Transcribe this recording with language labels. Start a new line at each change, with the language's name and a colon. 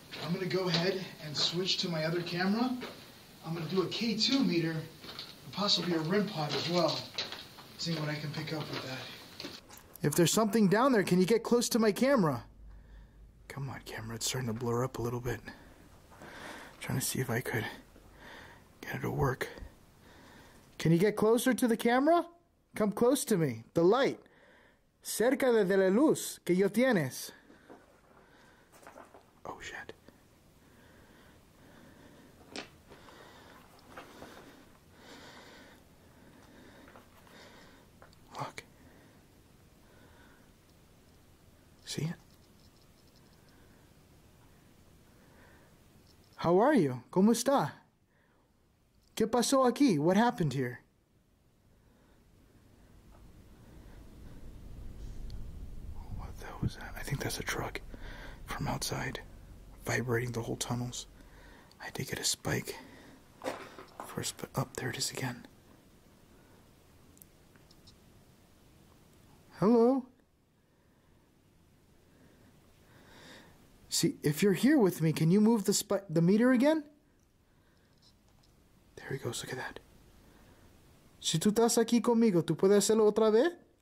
English: I'm gonna go ahead and switch to my other camera. I'm gonna do a K2 meter, and possibly a REM pod as well, seeing what I can pick up with that. If there's something down there, can you get close to my camera? Come on, camera, it's starting to blur up a little bit. I'm trying to see if I could get it to work. Can you get closer to the camera? Come close to me, the light.
Spanish: Cerca de la luz que yo tienes.
English: Oh shit. See it? How are you?
Spanish: ¿Cómo está? ¿Qué pasó aquí?
English: What happened here? What the hell was that? I think that's a truck from outside vibrating the whole tunnels. I did get a spike first, but up there it is again. Hello? See, if you're here with me, can you move the meter again? There he goes, look at that.
Spanish: Si tú estás aquí conmigo, ¿tú puedes hacerlo otra vez?